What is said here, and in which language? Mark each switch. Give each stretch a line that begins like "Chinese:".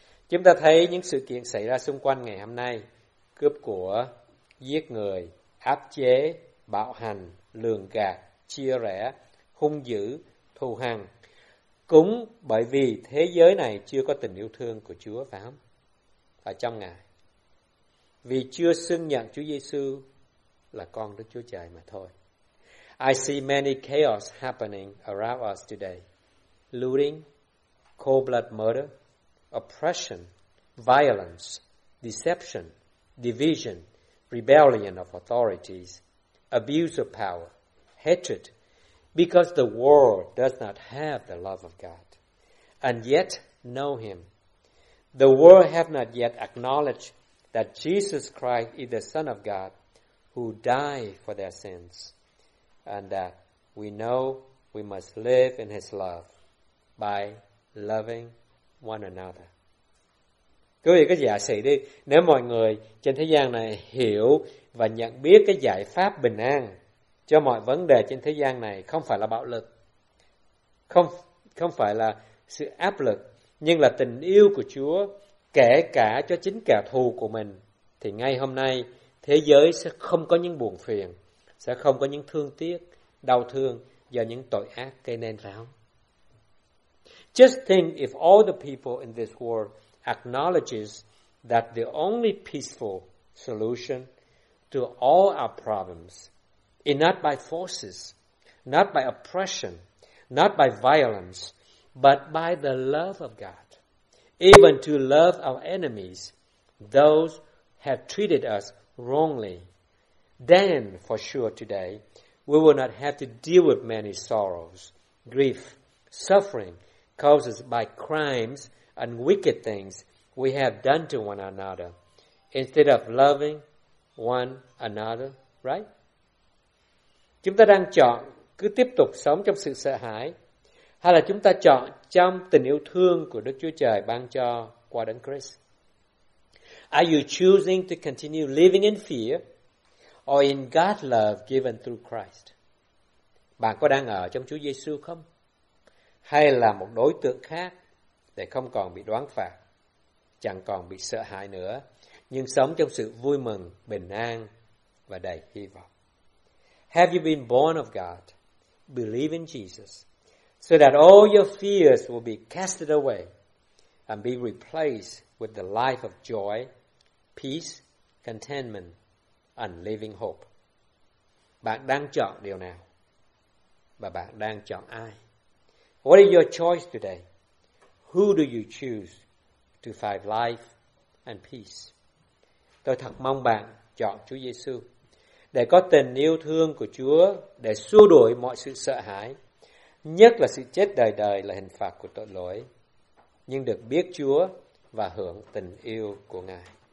Vietnamese: Chúng ta thấy những sự kiện xảy ra xung quanh ngày hôm nay, cướp của, giết người, áp chế, bạo hành, lường gạt, chia rẽ, hung dữ, thù hằn, cũng bởi vì thế giới này chưa có tình yêu thương của Chúa, phải không? Ở trong Ngài. Vì chưa xưng nhận Chúa Giêsu là con Đức Chúa Trời mà thôi.
English: I see many chaos happening around us today. Looting, cold-blood murder, oppression, violence, deception, division, rebellion of authorities, abuse of power, hatred, because the world does not have the love of God and yet know Him. The world have not yet acknowledged that Jesus Christ is the Son of God who died for their sins, and that we know we must live in His love by loving one another.
Vietnamese: Quý vị cứ giả sử đi, nếu mọi người trên thế gian này hiểu và nhận biết cái giải pháp bình an cho mọi vấn đề trên thế gian này, không phải là bạo lực, không phải là sự áp lực, nhưng là tình yêu của Chúa, kể cả cho chính kẻ thù của mình, thì ngay hôm nay thế giới sẽ không có những buồn phiền, sẽ không có những thương tiếc, đau thương do những tội ác gây nên ra.
English: Just think if all the people in this world acknowledges that the only peaceful solution to all our problems is not by forces, not by oppression, not by violence, but by the love of God, even to love our enemies, those who have treated us wrongly, then for sure today we will not have to deal with many sorrows, grief, suffering caused by crimes and wicked things we have done to one another, instead of loving one another, right?
Vietnamese: Chúng ta đang chọn cứ tiếp tục sống trong sự sợ hãi, hay là chúng ta chọn trong tình yêu thương của Đức Chúa Trời ban cho qua Đấng Christ?
English: Are you choosing to continue living in fear or in God's love given through Christ?
Vietnamese: Bạn có đang ở trong Chúa Giê-xu không? Hay là một đối tượng khác để không còn bị đoán phạt, chẳng còn bị sợ hãi nữa, nhưng sống trong sự vui mừng, bình an và đầy hy vọng?
English: Have you been born of God? Believe in Jesus so that all your fears will be casted away and be replaced with the life of joy, peace, contentment, and living hope.
Vietnamese: Bạn đang chọn điều nào? Và bạn đang chọn ai?
English: What is your choice today? Who do you choose to find life and peace?
Vietnamese: Tôi thật mong bạn chọn Chúa Giê-xu để có tình yêu thương của Chúa, để xua đuổi mọi sự sợ hãi, nhất là sự chết đời đời là hình phạt của tội lỗi, nhưng được biết Chúa và hưởng tình yêu của Ngài.